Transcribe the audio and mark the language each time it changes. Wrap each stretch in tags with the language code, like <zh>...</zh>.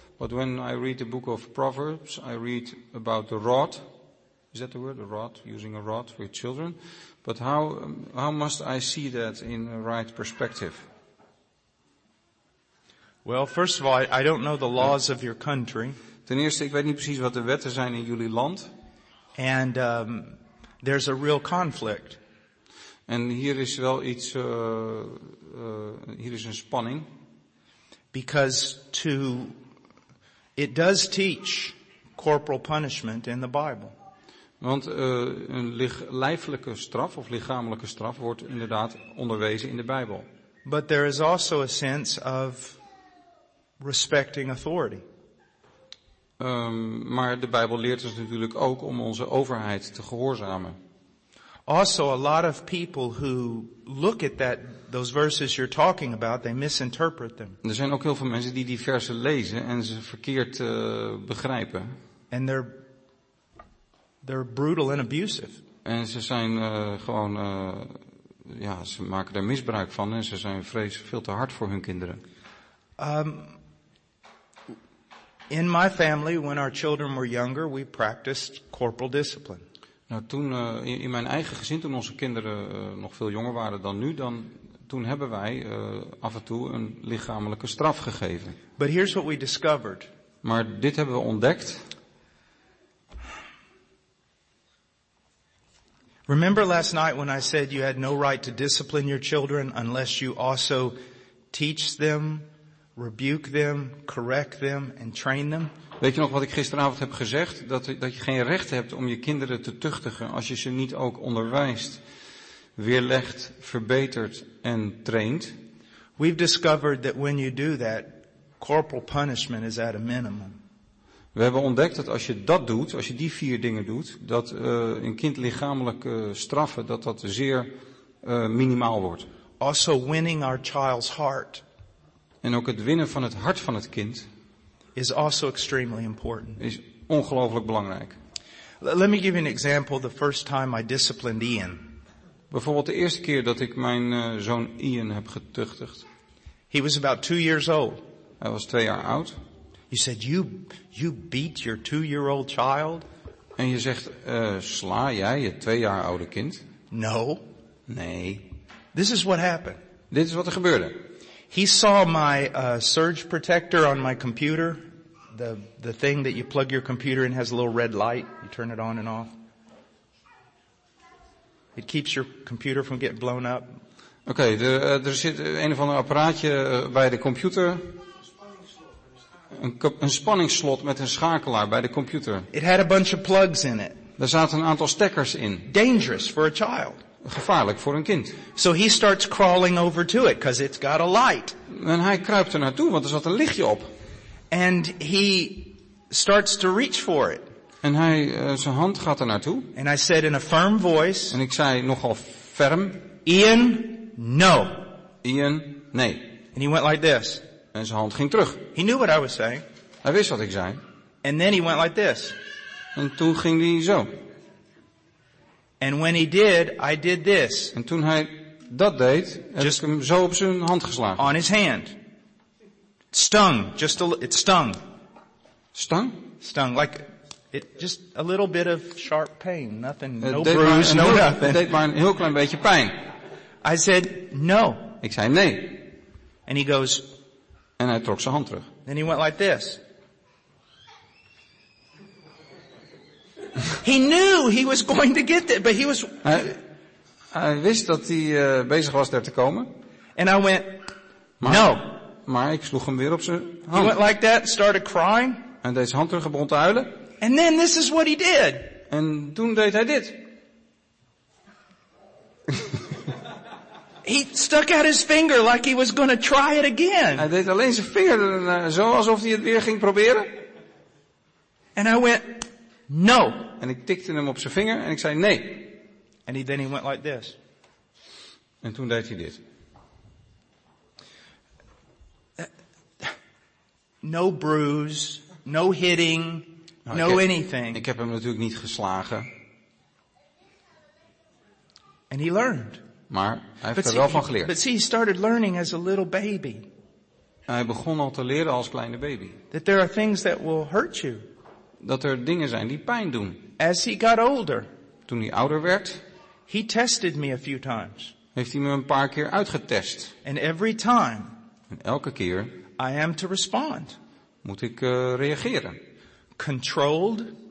<en>But when I read the book of Proverbs, I read about the rod. Is that the word? A rod? Using a rod for children. But how must I see that in the right perspective? Well, first of all, I don't know the laws of your country.</en> <nl>Ten eerste, ik weet niet precies wat de wetten zijn in jullie land.</nl> <en>And there's a real conflict.</en> <nl>En hier is wel iets, hier is een spanning.</nl> <en>Because it does teach corporal punishment in the Bible.</en> <nl>Want een lijfelijke straf of lichamelijke straf wordt inderdaad onderwezen in de Bijbel.</nl> <en>But there is also a sense of respecting authority.</en> <nl>Maar de Bijbel leert ons natuurlijk ook om onze overheid te gehoorzamen.</nl> <en>Also, a lot of people who look at that those verses you're talking about, they misinterpret them.</en> <nl>Er zijn ook heel veel mensen die versen lezen en ze verkeerd begrijpen.</nl> <en>And they're brutal and abusive.</en> <nl>En ze zijn gewoon ja, ze maken daar misbruik van en ze zijn vreselijk veel te hard voor hun kinderen.</nl> <en>In my family, when our children were younger, we practiced corporal discipline.</en> <nl>Nou, toen in mijn eigen gezin, toen onze kinderen nog veel jonger waren dan nu, dan toen hebben wij af en toe een lichamelijke straf gegeven.</nl> <en>But here's what we discovered.</en> <nl>Maar dit hebben we ontdekt.</nl> <en>Remember last night when I said you had no right to discipline your children unless you also teach them, rebuke them, correct them and train them?</en> <nl>Weet je nog wat ik gisteravond heb gezegd? Dat je geen recht hebt om je kinderen te tuchtigen als je ze niet ook onderwijst, weerlegt, verbetert en traint.</nl> <en>We've discovered that when you do that, corporal punishment is at a minimum.</en> <nl>We hebben ontdekt dat als je dat doet, als je die vier dingen doet, dat een kind lichamelijk straffen, dat zeer minimaal wordt.</nl> <en>Also winning our child's heart.</en> <nl>En ook het winnen van het hart van het kind</nl> <en>is also extremely important.</en> <nl>Is ongelooflijk belangrijk.</nl> <en>Let me give you an example the first time I disciplined Ian.</en> <nl>Bijvoorbeeld de eerste keer dat ik mijn zoon Ian heb getuchtigd.</nl> <en>He was about 2 years old.</en> <nl>Hij was 2 jaar oud.</nl> <en>You said you beat your 2 year old child?</en> <nl>En je zegt sla jij je 2 jaar oude kind?</nl> <en>No.</en> <nl>Nee.</nl> <en>This is what happened.</en> <nl>Dit is wat er gebeurde.</nl> <en>He saw my surge protector on my computer, the thing that you plug your computer in has a little red light, you turn it on and off. It keeps your computer from getting blown up.</en> <nl>Oké, er zit een of ander apparaatje bij de computer. Een spanningsslot met een schakelaar bij de computer.</nl> <en>It had a bunch of plugs in it.</en> <nl>Daar zaten een aantal stekkers in.</nl> <en>Dangerous for a child.</en> <nl>Gevaarlijk voor een kind.</nl> <en>So he starts crawling over to it because it's got a light.</en> <nl>En hij kruipt er naartoe want er zat een lichtje op.</nl> <en>And he starts to reach for it.</en> <nl>En hij zijn hand gaat er naartoe.</nl> <en>And I said in a firm voice.</en> <nl>En ik zei nogal ferm.</nl> <en>Ian, no.</en> <nl>Ian, nee.</nl> <en>And he went like this.</en> <nl>En zijn hand ging terug.</nl> <en>He knew what I was saying.</en> <nl>Hij wist wat ik zei.</nl> <en>And then he went like this.</en> <nl>En toen ging hij zo.</nl> <en>And when he did, I did this.</en> <nl>En toen hij dat deed, heb ik hem zo op zijn hand geslagen.</nl> <en>On his hand. Stung. It stung. Stung? Stung. Like it, just a little bit of sharp pain. Nothing. No bruise. No nothing.</en> <nl>Het deed maar een heel klein beetje pijn.</nl> <en>I said no.</en> <nl>Ik zei nee.</nl> <en>And he goes.</en> <nl>En hij trok zijn hand terug.</nl> <en>Then he went like this. He knew he was going to get there, but he was.</en> <nl>Hij wist dat hij bezig was daar te komen.</nl> <en>And I went. No.</en> <nl>Maar ik sloeg hem weer op zijn hand.</nl> <en>He went like that, started crying.</en> <nl>En deed zijn hand terug en begon te huilen.</nl> <en>And then this is what he did.</en> <nl>En toen deed hij dit.</nl> <en>He stuck out his finger like he was gonna try it again.</en> <nl>Hij deed alleen zijn vinger zo alsof hij het weer ging proberen.</nl> <en>And I went, no.</en> <nl>En ik tikte hem op zijn vinger en ik zei nee.</nl> <en>And then he went like this.</en> <nl>En toen deed hij dit.</nl> <en>No bruise, no hitting, no anything.</en> <nl>Ik heb hem natuurlijk niet geslagen.</nl> <en>And he learned.</en> <nl>Maar hij heeft er wel van geleerd.</nl> <en>But see, he started learning as a little baby.</en> <nl>Hij begon al te leren als kleine baby.</nl> <en>That there are things that will hurt you.</en> <nl>Dat er dingen zijn die pijn doen.</nl> <en>As he got older.</en> <nl>Toen hij ouder werd.</nl> <en>He tested me a few times.</en> <nl>Heeft hij me een paar keer uitgetest.</nl> <en>And every time.</en> <nl>En elke keer.</nl> <en>I am to respond.</en> <nl>Moet ik reageren.</nl> <en>Controlled.</en>